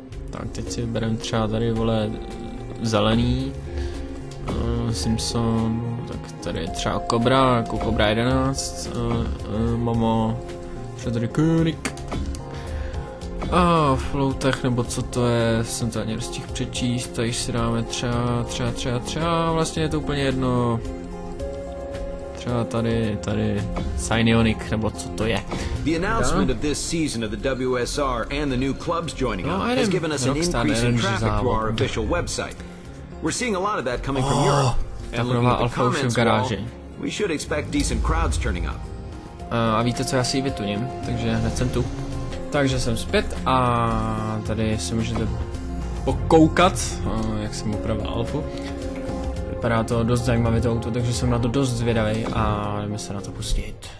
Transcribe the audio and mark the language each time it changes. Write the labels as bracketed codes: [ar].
[cs] Tak teď si vybereme třeba tady, vole, zelený Simpson, tak tady je třeba Cobra, jako Cobra 11, Momo, Frederick Koenig. A Flowtech, nebo co to je, jsem to ani rozstihl přečíst, tady si dáme třeba, vlastně je to úplně jedno. Třeba tady Scionic, nebo co to je. [en] The announcement of this season of the WSR and the new clubs joining up has given us an increase in traffic to our official website. We're seeing a lot of that coming from Europe. And looking at the comments wall, we should expect decent crowds turning up. [cs] A víte co, já si vytuním, takže hned jsem tu. Takže jsem zpět a tady si můžete pokoukat, jak jsem opravil Alfu. Vypadá to dost zajímavé to auto, takže jsem na to dost zvědavý a jdeme se na to pustit.